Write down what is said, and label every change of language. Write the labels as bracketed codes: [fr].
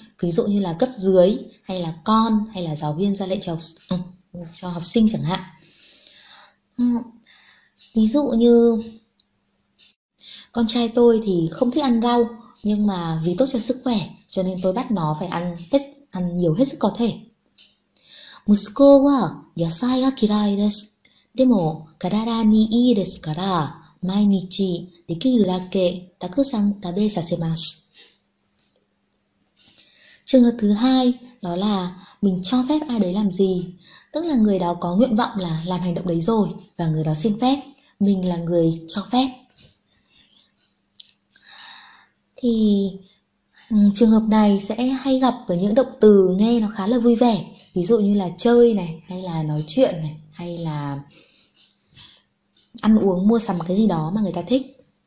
[vi] ví dụ như là cấp dưới hay là con hay là giáo viên ra lệnh cho học sinh chẳng hạn. Ví dụ như con trai tôi thì không thích ăn rau, nhưng mà vì tốt cho sức khỏe cho nên tôi bắt nó phải ăn nhiều hết sức có thể. [ja] 息子は野菜が嫌いです。でも体にいいですから、毎日できるだけたくさん食べさせます。 [vi] Trường hợp thứ hai đó là mình cho phép ai đấy làm gì, tức là người đó có nguyện vọng là làm hành động đấy rồi và người đó xin phép, mình là người cho phép. Thì trường hợp này sẽ hay gặp với những động từ nghe nó khá là vui vẻ, ví dụ như là chơi này, hay là nói chuyện này, hay là ăn uống, mua sắm cái gì đó mà người ta thích.